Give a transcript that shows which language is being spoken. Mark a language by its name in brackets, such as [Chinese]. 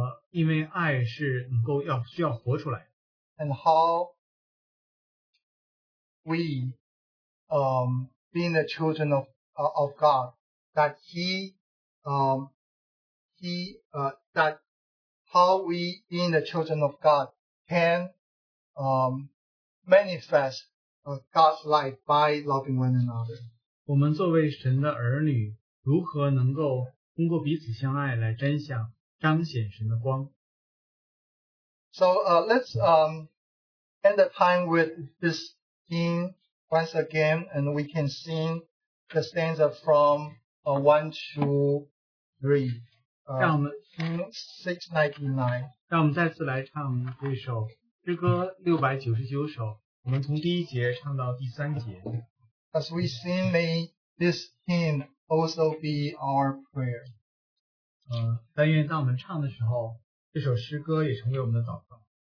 [Chinese] 因为爱是能够需要活出来。 [English] And how we, being the children of God, that how we, being the children of God, can manifest God's light by loving one another. [Chinese] 我们作为神的儿女，如何能够通过彼此相爱来彰显神的光？ [English] So let's end the time with this hymn once again, and we can sing the stanza from 1-3. [Chinese] 让我们 699. 让我们再次来唱这首诗歌699首。我们从第一节唱到第三节。 [English] As we sing, may this hymn also be our prayer. [Chinese] 但愿当我们唱的时候，这首诗歌也成为我们的祷告。